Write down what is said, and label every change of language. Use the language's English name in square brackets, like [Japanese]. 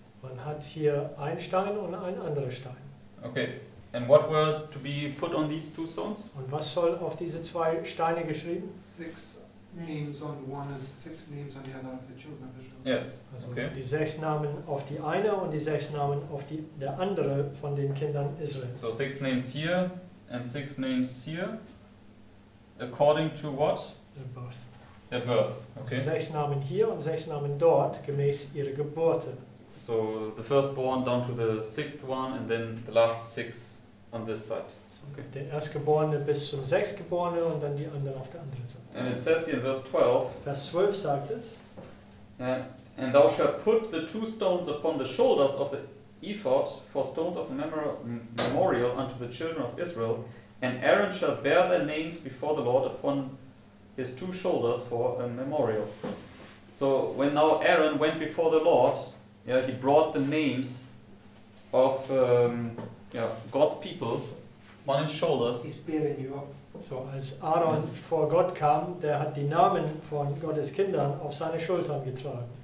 [German] Man hat hier einen Stein und einen anderen Stein. [English] Okay. And what were to be put on these two stones? [German] Und was soll auf diese zwei Steine geschrieben? [English] Six names on one and six names on the other of the children of the stone. Yes. Also okay. [German] Die sechs Namen auf die eine und die sechs Namen auf die der andere von den Kindern Israels. [English] So six names here and six names here. According to what? Their birth. Their birth. Okay. [German] So sechs Namen hier und sechs Namen dort gemäß ihrer Geburten. [English] So the firstborn down to the sixth one and then the last six on this side. Okay. [German] Der Erstgeborene bis zum Sechstgeborene und dann die anderen auf der anderen Seite. [English] And it says here in verse 12. [German] Vers 12 sagt es. [English] And thou shalt put the two stones upon the shoulders of the ephod for stones of memorial unto the children of Israel. And Aaron shall bear their names before the Lord upon his two shoulders for a memorial. So when now Aaron went before the Lord, yeah, he brought the names of God's people on his shoulders. He's bearing you up. So as [German] Aaron vor Gott kam, der hat die Namen von Gottes Kindern auf seine Schultern getragen.